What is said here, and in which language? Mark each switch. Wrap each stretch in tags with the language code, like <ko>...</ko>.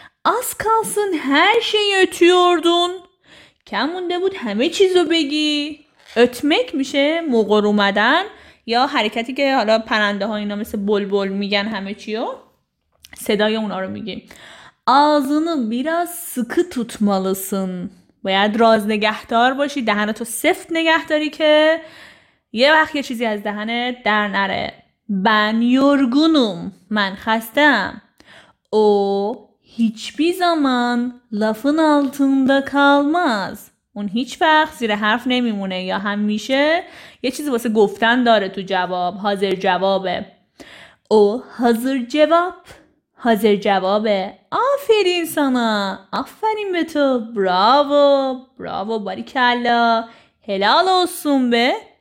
<tr>Az kalsın her şeyi ötüyordun.</tr> <fa>کم مونده بود همه چیزو بگی. Ötmek میشه مغر اومدن یا حرکتی که حالا پرنده ها اینا مثل بلبل میگن همه چیو. صدای اونا رو میگیم.</fa> <tr>Ağzını biraz sıkı tutmalısın.</tr> <fa>باید راز نگهدار باشی. دهنتو سفت نگه داری که یه وقت یه چیزی از دهنت در نره.</fa> <tr>Ben yorgunum.</tr> <fa>من خستم.</fa> <tr>O hiçbir zaman lafın altında kalmaz.</tr> <fa>اون هیچ وقت زیر حرف نمیمونه یا همیشه یه چیزی واسه گفتن داره تو جواب. حاضر جوابه.</fa> <tr>O hazır cevap.</tr> <fa>حاضر جوابه.</fa> <tr>آفرین سانا.</tr> <fa>آفرین به تو.</fa> <tr>براوو. براوو باریکلا. هلال اوسون به.</tr>